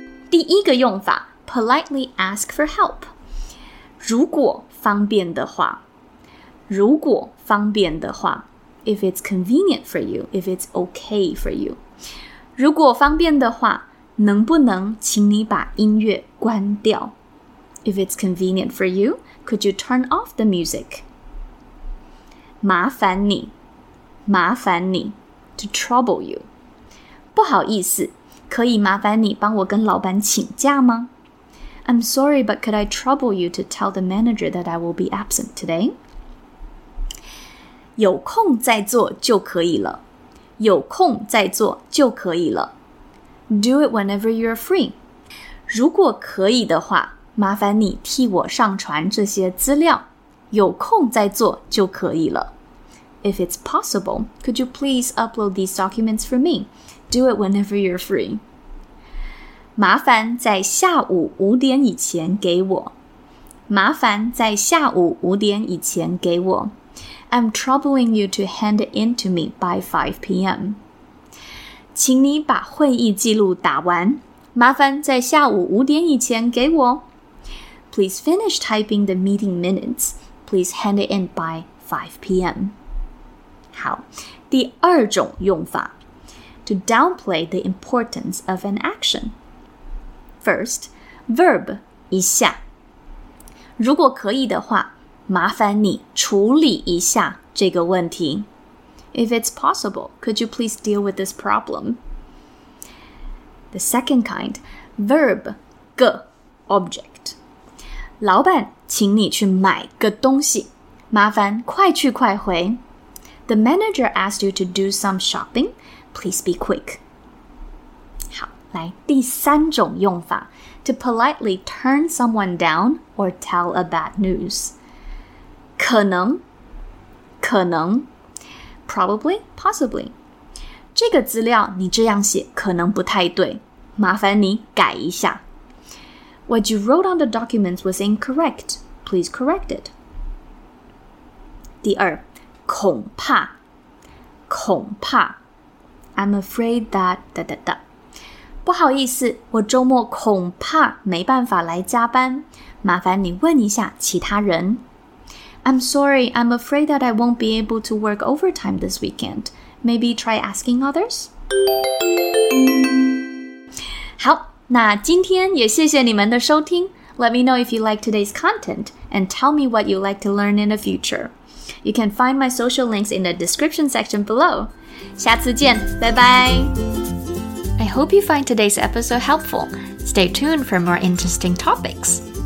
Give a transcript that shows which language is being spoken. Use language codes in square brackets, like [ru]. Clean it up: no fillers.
[zh] 第一个用法 [en] ,politely ask for help. [zh] 如果方便的话，如果方便的话 [en] ,if it's convenient for you, if it's okay for you. [zh] 如果方便的话，能不能请你把音乐关掉？ [en] If it's convenient for you, could you turn off the music? [zh] 麻烦你，麻烦你 , [en] to trouble you. [zh] 不好意思，可以麻烦你帮我跟老板请假吗？ [en] I'm sorry, but could I trouble you to tell the manager that I will be absent today? [zh] 有空再做就可以了，有空再做就可以了。 [en] Do it whenever you're free. [zh] 如果可以的话，麻烦你替我上传这些资料，有空再做就可以了。 [en] If it's possible, could you please upload these documents for me? Do it whenever you're free. [zh] 麻烦在下午五点以前给我。麻烦在下午五点以前给我。 [en] I'm troubling you to hand it in to me by 5 p.m. [zh] 请你把会议记录打完，麻烦在下午五点以前给我。 [en] Please finish typing the meeting minutes. Please hand it in by 5 p.m. 好， [zh] 第二种用法 [en] ,to downplay the importance of an action. First, verb, 一下。 [zh] 如果可以的话，麻烦你处理一下这个问题。 [en] If it's possible, could you please deal with this problem? The second kind, verb, 个 object. [zh] 老板，请你去买个东西，麻烦快去快回。 [en] The manager asked you to do some shopping. Please be quick. 好， [zh] 来第三种用法 [en] ,to politely turn someone down or tell a bad news. [zh] 可能，可能 [en] ,probably, possibly. [zh] 这个资料你这样写可能不太对，麻烦你改一下。 [en] What you wrote on the documents was incorrect. Please correct it. [zh] 第二，恐怕，恐怕。 [en] I'm afraid that... 哒哒哒。 [zh] 不好意思，我周末恐怕没办法来加班。麻烦你问一下其他人。 [en] I'm sorry, I'm afraid that I won't be able to work overtime this weekend. Maybe try asking others? [zh] 好。那今天也谢谢你们的收听， [en] Let me know if you like today's content and tell me what you'd like to learn in the future. You can find my social links in the description section below. [zh] 下次见，拜拜。 [en] I hope you find today's episode helpful. Stay tuned for more interesting topics.